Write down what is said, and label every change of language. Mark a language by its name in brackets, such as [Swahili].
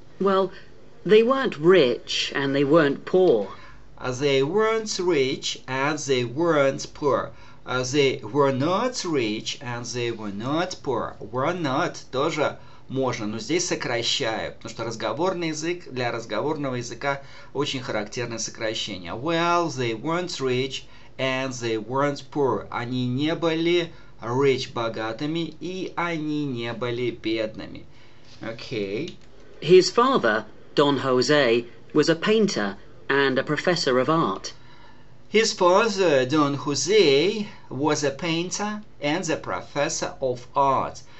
[English] Well, they weren't rich and they weren't poor. They weren't rich and they weren't poor. They were not rich and they were not poor. Were not [Russian] тоже можно, но здесь сокращаю, потому что разговорный язык, для разговорного языка очень характерное сокращение. [English] Well, they weren't rich and they weren't poor. [Russian] Они не были [English] rich, [Russian] богатыми, и они не были бедными. [English] Okay. His father, Don Jose, was a painter and a professor of art. His father, Don Jose, was a painter and a professor of art.